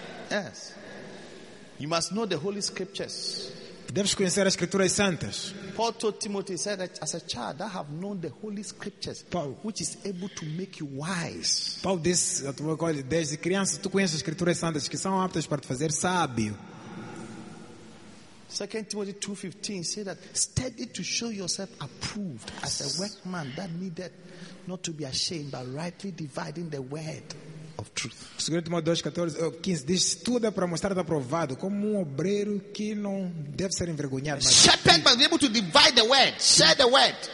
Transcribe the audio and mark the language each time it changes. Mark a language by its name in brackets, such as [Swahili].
[English] Yes. You must know the Holy Scriptures. [Portuguese] Deves conhecer as Escrituras Santas. [English] Paul told Timothy, he said, as a child, I have known the Holy Scriptures, Paul, which is able to make you wise. [Portuguese] Paul disse, desde criança, tu conheces as Escrituras Santas, que são aptas para te fazer sábio. [English] 2 Timothy 2:15 said that, study to show yourself approved as a workman that needed not to be ashamed, but rightly dividing the word. Of truth. [Portuguese] 2 Timóteo 2:15 diz: estuda para mostrar-te aprovado como obreiro que não deve ser envergonhado. Mas [English] shepherd must be able to divide the word, share the word.